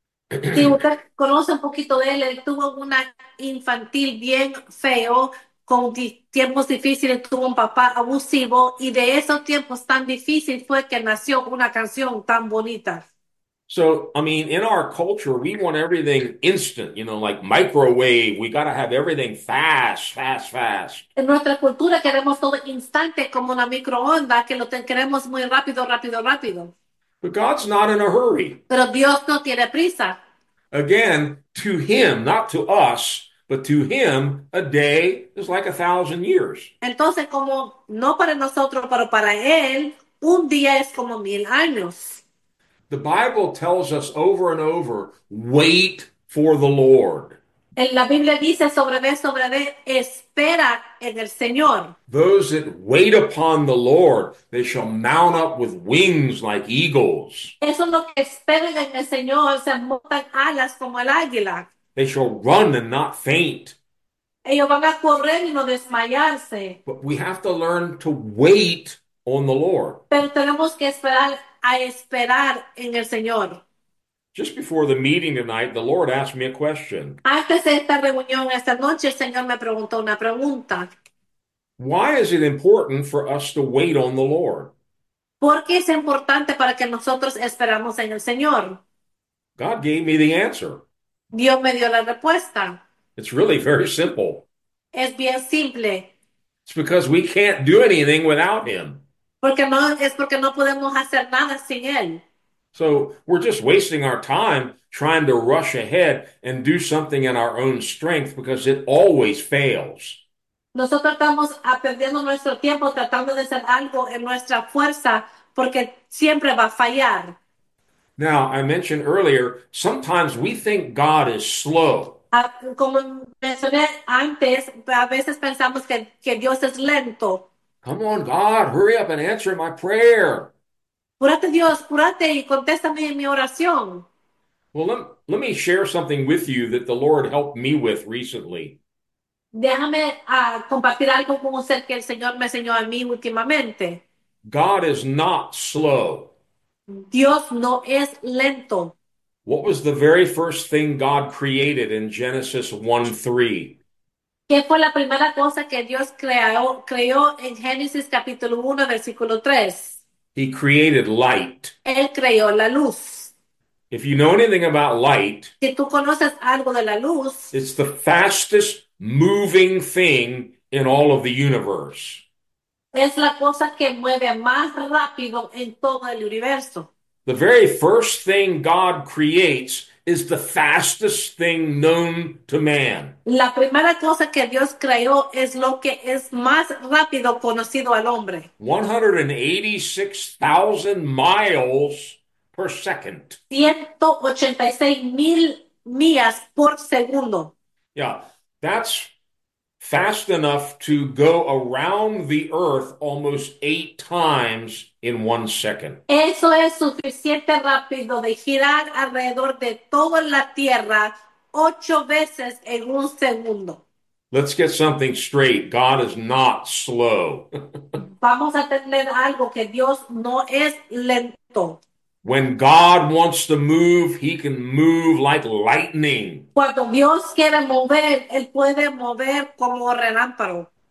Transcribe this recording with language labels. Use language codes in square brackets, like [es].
[es] Si usted conoce un poquito de él, él tuvo una infantil bien feo. Con di tiempos difíciles tuvo un papá abusivo y de esos tiempos tan difíciles fue que nació una canción tan bonita. [en] So, I mean, in our culture, we want everything instant, you know, like microwave. We got to have everything fast, fast, fast. [es] En nuestra cultura queremos todo instante, como la microonda, que lo queremos muy rápido, rápido, rápido. [en] But God's not in a hurry. [es] Pero Dios no tiene prisa. [en] Again, to him, not to us, but to him, a day is like a thousand years. [es] Entonces, como no para nosotros, pero para él, un día es como 1000 años. [en] The Bible tells us over and over, wait for the Lord. [es] En la Biblia dice sobre vez, espera en el Señor. [en] Those that wait upon the Lord, they shall mount up with wings like eagles. [es] Eso es lo que esperan en el Señor, se montan alas como el águila. [en] They shall run and not faint. [es] Ellos van a correr y no desmayarse. [en] But we have to learn to wait on the Lord. [es] Pero tenemos que esperar a esperar en el Señor. [en] Just before the meeting tonight, the Lord asked me a question. [es] Antes de esta reunión, esta noche, el Señor me preguntó una pregunta. [en] Why is it important for us to wait on the Lord? [es] ¿Por qué es importante para que nosotros esperamos en el Señor? [en] God gave me the answer. [es] Dios me dio la respuesta. [en] It's really very simple. [es] Es bien simple. [en] It's because we can't do anything without Him. [es] Porque no, es porque no podemos hacer nada sin Él. [en] So we're just wasting our time trying to rush ahead and do something in our own strength because it always fails. [es] Nosotros estamos perdiendo nuestro tiempo tratando de hacer algo en nuestra fuerza porque siempre va a fallar. [en] Now, I mentioned earlier, sometimes we think God is slow. [es] Como mencioné antes, a veces pensamos que Dios es lento. [en] Come on, God, hurry up and answer my prayer. [es] Apúrate, Dios, apúrate y contéstame en mi oración. [en] Well, let me share something with you that the Lord helped me with recently. [es] Déjame compartir algo con usted que el Señor me enseñó a mí últimamente. [en] God is not slow. [es] Dios no es lento. [en] What was the very first thing God created in Genesis 1:3? [es] ¿Qué fue la primera cosa que Dios creó en Génesis capítulo 1, versículo 3? [en] He created light. [es] Él creó la luz. [en] If you know anything about light, [es] Si tú conoces algo de la luz, [en] it's the fastest moving thing in all of the universe. [es] es la cosa que mueve más rápido en todo el universo. [en] The very first thing God creates is the fastest thing known to man. [es] La primera cosa que Dios creó es lo que es más rápido conocido al hombre. [en] 186,000 miles per second. [es] 186,000 millas por segundo. [en] Yeah, that's fast enough to go around the earth almost 8 times in 1 second. [es] Eso es suficiente rápido de girar alrededor de toda la Tierra 8 veces en un segundo. [en] Let's get something straight. God is not slow. [es] Vamos a tener algo que Dios no es lento. [en] When God wants to move, he can move like lightning. [es] Cuando Dios quiere mover, Él puede mover como relámpago.